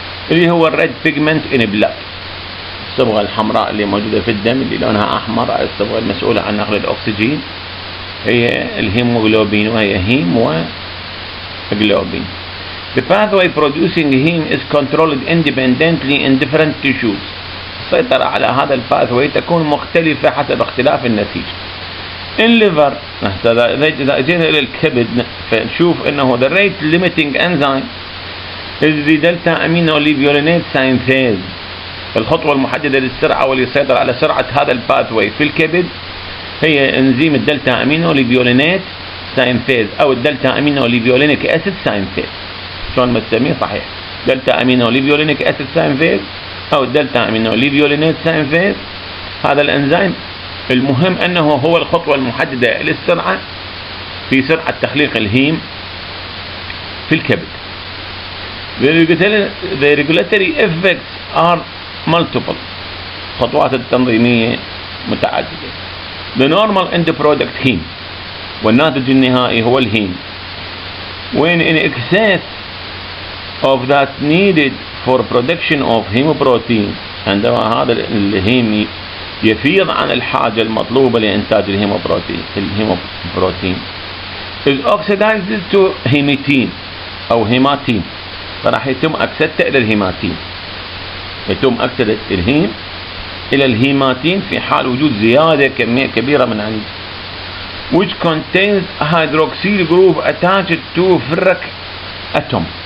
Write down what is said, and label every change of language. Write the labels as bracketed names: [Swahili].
[Arabic] اللي هو [English] الريد pigment in blood, [Arabic] الصبغة الحمراء اللي موجودة في الدم اللي لونها أحمر، الصبغة المسؤولة عن نقل الأكسجين هي الهيموغلوبين، وهي هيم وغلوبين. [English] The pathway producing heme is controlled independently in different tissues. [Arabic] السيطرة على هذا الباثوي تكون مختلفة حسب اختلاف النسيج. [English] In liver, [Arabic] إذا جينا إلى الكبد فنشوف أنه [English] the rate limiting enzyme is the delta amino levulinate synthase. [Arabic] الخطوة المحددة للسرعة واللي يسيطر على سرعة هذا الباثوي في الكبد هي انزيم الدلتا امينو ليفيولينيت سينثيز او الدلتا امينو ليفيولينيك اسيد سينثيز، شلون ما تسميه صحيح، دلتا امينو ليفيولينيك اسيد سينثيز او الدلتا امينو ليفيولينيت سينثيز، هذا الانزيم المهم انه هو الخطوة المحددة للسرعة في سرعة تخليق الهيم في الكبد. [English] The regulatory effects are multiple. [Arabic] خطوات التنظيمية متعددة. [English] The normal end product heme. [Arabic] والناتج النهائي هو الهيم. [English] When in excess of that needed for production of hemoprotein. [Arabic] عندما هذا الهيم يفيض عن الحاجة المطلوبة لإنتاج الهيموبروتين. الهيموبروتين. [English] Is oxidized to hematin. [Arabic] أو هيماتين. فراح يتم أكسدته إلى الهيماتين. يتم أكسدة الهيم إلى الهيماتين في حال وجود زيادة كمية كبيرة من عند [English] which contains hydroxyl group attached to ferric atom.